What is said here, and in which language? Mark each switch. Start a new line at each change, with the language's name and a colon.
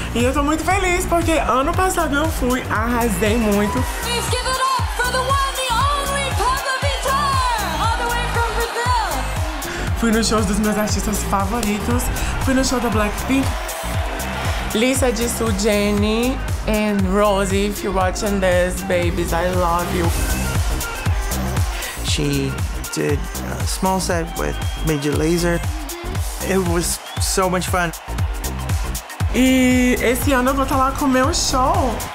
Portuguese: E eu tô muito feliz porque ano passado eu fui, arrasei muito.
English: Please give it up for the one, the only Pabllo Vittar, all the way from Brazil!
Portuguese: Fui no show dos meus artistas favoritos, fui no show da Blackpink.
English: Lisa de Sul, Jenny and Rosie, if you're watching this, babies, I love you. She did a small set with Major Lazer. It was so much fun.
Portuguese: E esse ano eu vou estar lá com o meu show.